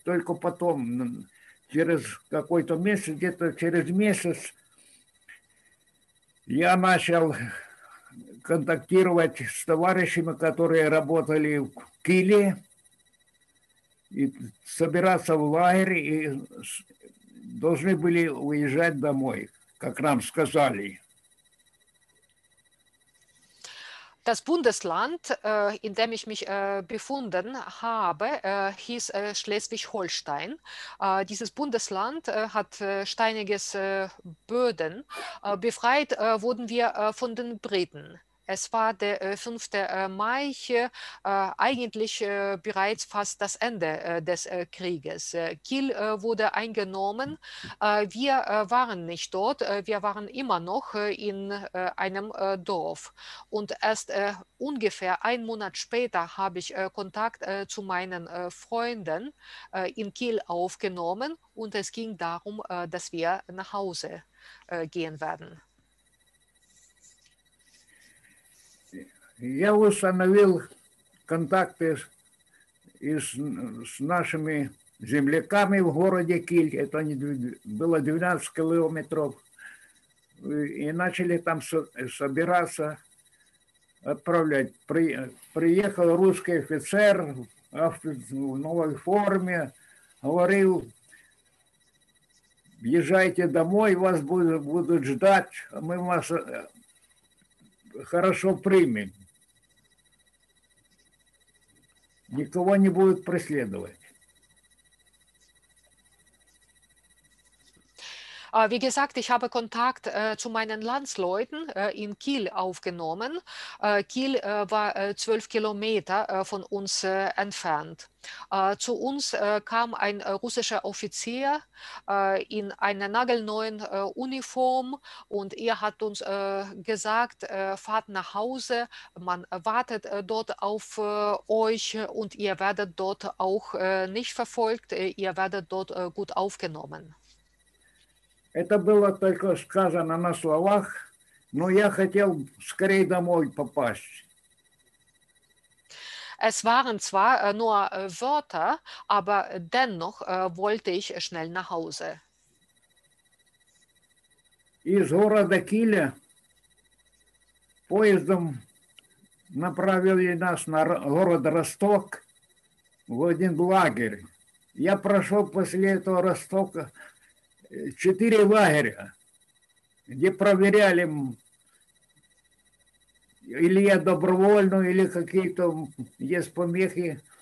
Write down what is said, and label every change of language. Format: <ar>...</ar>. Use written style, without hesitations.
<ru>Только потом, через какой-то месяц, где-то через месяц, я начал... контактировать с товарищами, которые работали в Киле, и собираться в лагерь, и должны были уезжать домой, как нам сказали.</ru> <de>Das Bundesland, in dem ich mich befunden habe, hieß Schleswig-Holstein. Dieses Bundesland hat steiniges Böden. Befreit wurden wir von den Briten. Es war der 5. Mai, eigentlich bereits fast das Ende des Krieges. Kiel wurde eingenommen. Wir waren nicht dort. Wir waren immer noch in einem Dorf. Und erst ungefähr einen Monat später habe ich Kontakt zu meinen Freunden in Kiel aufgenommen. Und es ging darum, dass wir nach Hause gehen werden.</de> <ru>Я установил контакты с нашими земляками в городе Киль. Это было 12 километров. И начали там собираться, отправлять. Приехал русский офицер в новой форме, говорил: «Езжайте домой, вас будут ждать, мы вас хорошо примем». Никого не будет преследовать.</ru> <de>Wie gesagt, ich habe Kontakt zu meinen Landsleuten in Kiel aufgenommen. Kiel war 12 Kilometer von uns entfernt. Zu uns kam ein russischer Offizier in einer nagelneuen Uniform und er hat uns gesagt, fahrt nach Hause, man wartet dort auf euch und ihr werdet dort auch nicht verfolgt, ihr werdet dort gut aufgenommen.</de> <ru>Это было только сказано на словах, но я хотел скорее домой попасть.</ru> <de>Es waren zwar nur Wörter, aber dennoch wollte ich schnell nach Hause.</de> <ru>Из города Киля поездом направили нас на город Росток в один лагерь. Я прошел после этого Ростока 4 лагеря, где проверяли, или я добровольно, или какие-то есть помехи.</ru>